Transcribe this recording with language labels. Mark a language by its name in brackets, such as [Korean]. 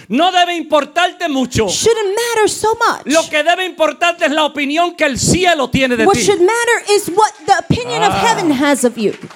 [Spanish] No debe importarte mucho. [English] Shouldn't matter so much. [Spanish] Lo que debe importarte es la opinión que el cielo tiene de ti. [English] What should matter is what the opinion of heaven has of you.